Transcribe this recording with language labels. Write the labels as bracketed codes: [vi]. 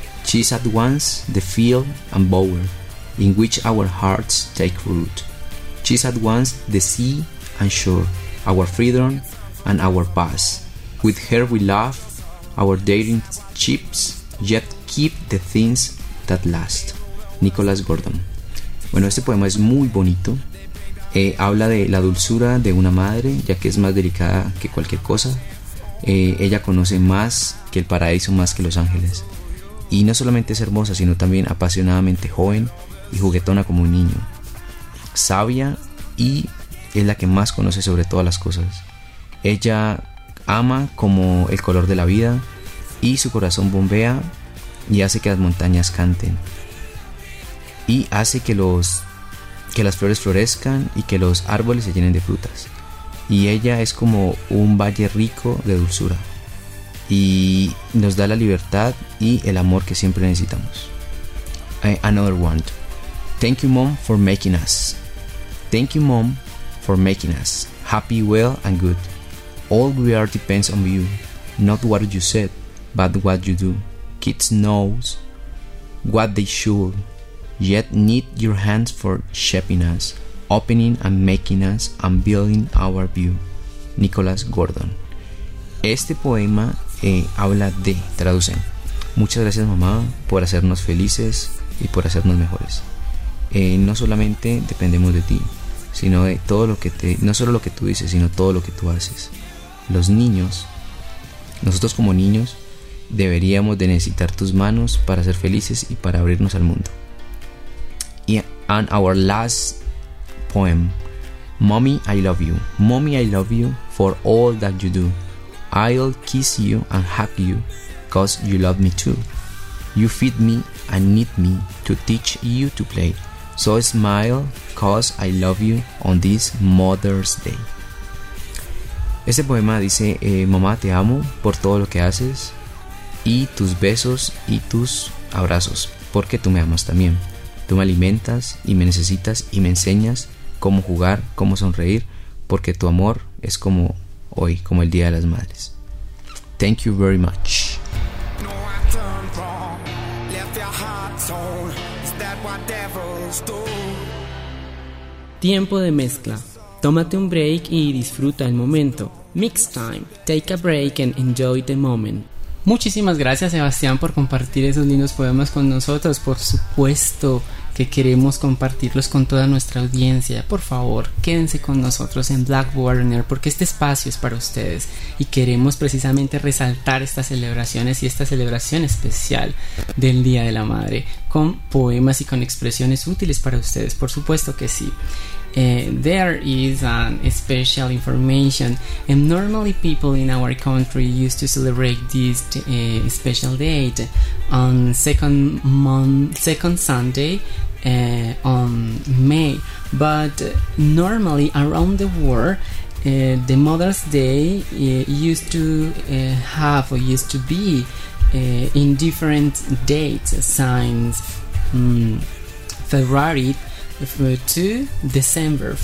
[en] She is at once the field and bower in which our hearts take root. She is at once the sea and shore, our freedom and our past. With her we laugh, our daring chips, yet keep the things that last. [es] Nicholas Gordon. Bueno, este poema es muy bonito. Habla de la dulzura de una madre, ya que es más delicada que cualquier cosa. Ella conoce más que el paraíso, más que los ángeles. Y no solamente es hermosa, sino también apasionadamente joven y juguetona como un niño. Sabia y es la que más conoce sobre todas las cosas. Ella ama como el color de la vida y su corazón bombea y hace que las montañas canten. Y hace que las flores florezcan y que los árboles se llenen de frutas. Y ella es como un valle rico de dulzura. Y nos da la libertad y el amor que siempre necesitamos. [en] Another one. Thank you, Mom, for making us. Thank you, Mom, for making us happy, well, and good. All we are depends on you. Not what you said, but what you do. Kids know what they should, yet need your hands for shaping us, opening and making us, and building our view. Nicholas Gordon. [es] Este poema habla de, traducen, muchas gracias mamá por hacernos felices y por hacernos mejores. No solamente dependemos de ti, sino de todo lo que te, no solo lo que tú dices, sino todo lo que tú haces. Los niños, nosotros como niños, deberíamos de necesitar tus manos para ser felices y para abrirnos al mundo. [en] And our last poem, Mommy, I love you. Mommy, I love you for all that you do. I'll kiss you and hug you, cause you love me too. You feed me and need me to teach you to play. So smile, cause I love you on this Mother's Day. [es] Este poema dice, mamá, te amo por todo lo que haces y tus besos y tus abrazos, porque tú me amas también. Tú me alimentas y me necesitas y me enseñas cómo jugar, cómo sonreír, porque tu amor es como hoy, como el Día de las Madres. [en] Thank you very much. No, I turned wrong, left your heart sold. Is that what devils do? [es] Tiempo de mezcla. Tómate un break y disfruta el momento. [en] Mix time. Take a break and enjoy the moment. [es] Muchísimas gracias, Sebastián, por compartir esos lindos poemas con nosotros. Por supuesto que queremos compartirlos con toda nuestra audiencia. Por favor, quédense con nosotros en Blackboard On Air, porque este espacio es para ustedes y queremos precisamente resaltar estas celebraciones y esta celebración especial del Día de la Madre con poemas y con expresiones útiles para ustedes. Por supuesto que sí. [en] There is an special information, and normally people in our country used to celebrate this special date on second Sunday on May, but normally around the world the Mother's Day used to be in different dates, signs February to December.